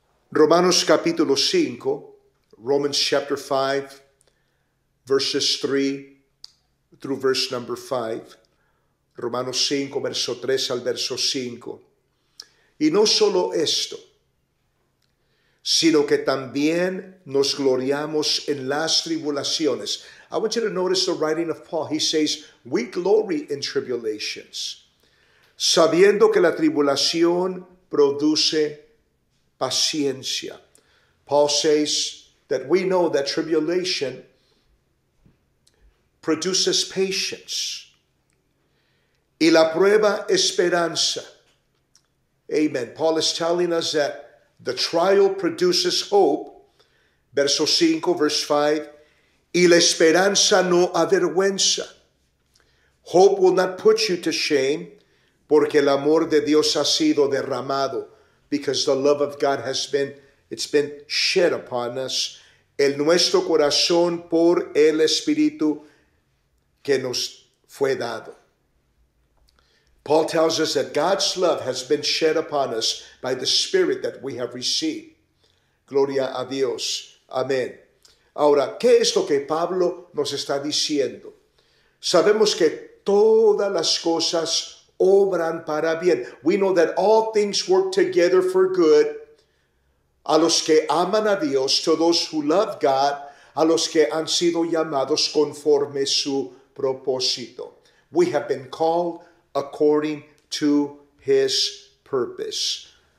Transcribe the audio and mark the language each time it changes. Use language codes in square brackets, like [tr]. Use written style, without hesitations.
[es] Romanos capítulo 5, [en] Romans chapter 5, verses 3 through verse number 5. [es] Romanos 5, verso 3 al verso 5. Y no solo esto, sino que también nos gloriamos en las tribulaciones. [en] I want you to notice the writing of Paul. He says, we glory in tribulations, [es] sabiendo que la tribulación produce paciencia. [en] Paul says that we know that tribulation produces patience. [es] Y la prueba, esperanza. Amen. [en] Paul is telling us that the trial produces hope. [es] Verso 5, [en] verse 5. [es] Y la esperanza no avergüenza. [en] Hope will not put you to shame, [es] porque el amor de Dios ha sido derramado. [en] Because the love of God has been, it's been shed upon us. [es] El nuestro corazón por el Espíritu que nos fue dado. [en] Paul tells us that God's love has been shed upon us by the Spirit that we have received. [es] Gloria a Dios. Amén. Ahora, ¿qué es lo que Pablo nos está diciendo? Sabemos que todas las cosas obran para bien. [en] We know that all things work together for good. [es] A los que aman a Dios, [en] to those who love God, [es] a los que han sido llamados conforme su propósito. [en] We have been called according to his purpose.